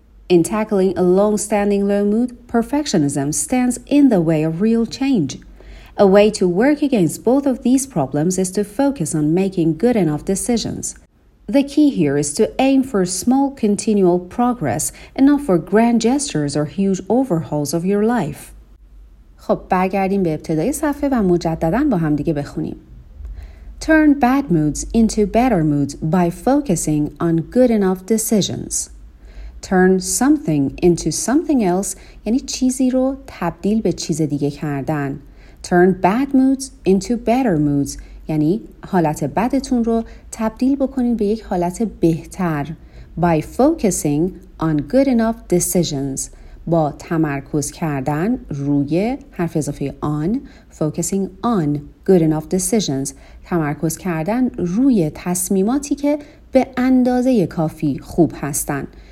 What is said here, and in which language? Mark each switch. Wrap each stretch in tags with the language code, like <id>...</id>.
<en>In tackling a long-standing low mood, perfectionism stands in the way of real change. A way to work against both of these problems is to focus on making good enough decisions. The key here is to aim for small, continual progress and not for grand gestures or huge overhauls of your life.</en> <fa>خب برگردیم به ابتدای صفحه و مجدداً با هم دیگه بخونیم.</fa> <en>Turn bad moods into better moods by focusing on good enough decisions. Turn something into something else</en> <fa>یعنی چیزی رو تبدیل به چیز دیگه کردن.</fa> <en>Turn bad moods into better moods</en> <fa>یعنی حالت بدتون رو تبدیل بکنین به یک حالت بهتر</fa> <en>by focusing on good enough decisions</en> <fa>با تمرکز کردن روی حرف اضافه</fa> <en>on focusing on good enough decisions</en> <fa>تمرکز کردن روی تصمیماتی که به اندازه کافی خوب هستن</fa>